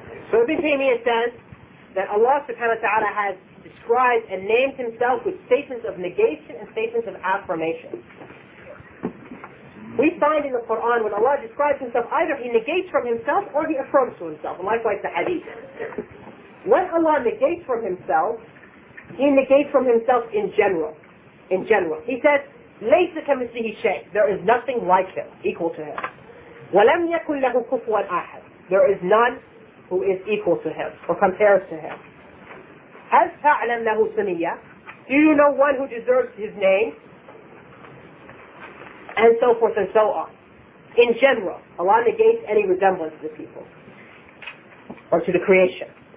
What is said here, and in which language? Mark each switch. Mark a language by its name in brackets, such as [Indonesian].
[English] So Ibn Taymiyyah says that Allah subhanahu wa ta'ala has described and named himself with statements of negation and statements of affirmation. We find in the Quran when Allah describes himself, either he negates from himself or he affirms to himself. And likewise the hadith. When Allah negates from himself, he negates from himself in general. In general. [Arabic] He says, لَيْسَ كَمِثْلِهِ شَيْءٍ. [English] There is nothing like him, equal to him. [Arabic] وَلَمْ يَكُنْ لَهُ كُفُوًا أَحَدٌ. [English] There is none who is equal to him or compares to him. [Arabic] هَلْ تَعْلَمْ لَهُ سُنِيَّةٌ. [English] Do you know one who deserves his name? And so forth and so on. In general, Allah negates any resemblance to the people or to the creation.